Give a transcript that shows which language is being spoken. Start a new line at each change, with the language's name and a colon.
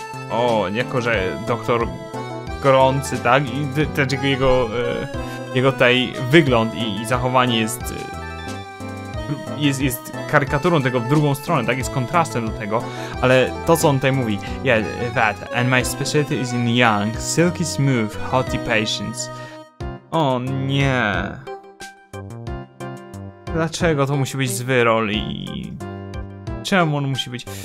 Polish: O, jako że doktor gorący, tak? I dlaczego jego... jego tutaj wygląd i zachowanie jest... jest karykaturą tego w drugą stronę, tak? Jest kontrastem do tego, ale to, co on tutaj mówi.
English: Yeah, that. And my specialty is in young, silky smooth, haughty patients.
Polish: O nie. Dlaczego to musi być zły rol i... czemu on musi być...